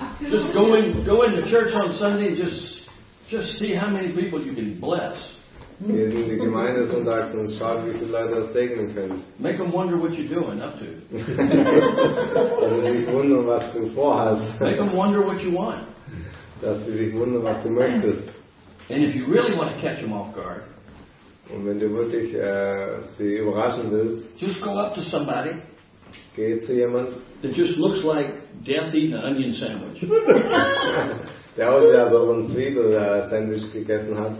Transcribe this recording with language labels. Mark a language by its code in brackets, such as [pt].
[en] Just go into church on Sunday and just see how many people you can bless. [de] Hier in die Gemeinde sonntags und schaut, wie viele Leute das segnen können. [en] Make them wonder what you're doing up to. [de] Also sich wundern, was du vorhast. [en] Make them wonder what you want. [de] Dass sie sich wundern, was du möchtest. [en] And if you really want to catch them off guard. [de] Und wenn du wirklich sie überraschen willst. [en] Just go up to somebody. [de] Geh zu jemand. [en] That just looks like death eating an onion sandwich. [de] Der aussieht, als ob er ein Zwiebel-Sandwich gegessen hat.